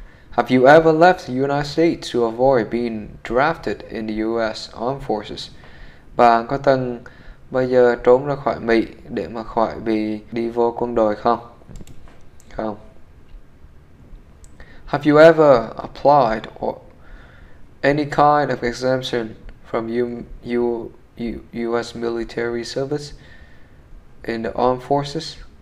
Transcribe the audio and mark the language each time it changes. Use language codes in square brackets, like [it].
[en] Have you ever left the United States to avoid being drafted in the US Armed Forces? [vi] Bạn có từng bao giờ trốn ra khỏi Mỹ để mà khỏi bị đi vô quân đội không? Không. [en] Have you ever applied or any kind of exemption from US military service in the armed forces?